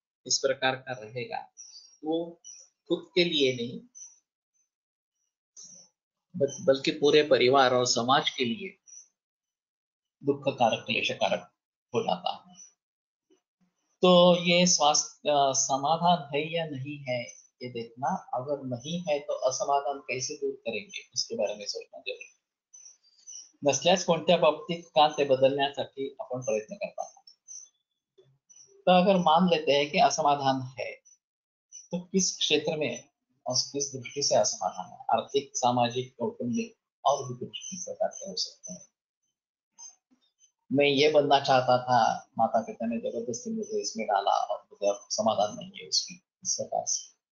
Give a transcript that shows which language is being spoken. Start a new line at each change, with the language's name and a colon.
Hindi: इस प्रकार का रहेगा वो खुद के लिए नहीं बल्कि पूरे परिवार और समाज के लिए दुख कारक क्लेश कारक हो जाता है। तो ये स्वास्थ्य समाधान है या नहीं है ये देखना, अगर नहीं है तो असमाधान कैसे दूर करेंगे उसके बारे में सोचना जरूरी।
Marathi: नसल्यास कोणत्या बाबतीत का ते बदलण्यासाठी आपण प्रयत्न करता।
Hindi: तो अगर मान लेते हैं कि असमाधान है तो किस क्षेत्र में और किस दृष्टि से असमाधान है, आर्थिक सामाजिक कौटुंबिक और भी कुछ प्रकार के हो सकते हैं। मैं ये बनना चाहता था, माता पिता ने जबरदस्ती मुझे इसमें डाला और मुझे समाधान नहीं है उसमें इस प्रकार से।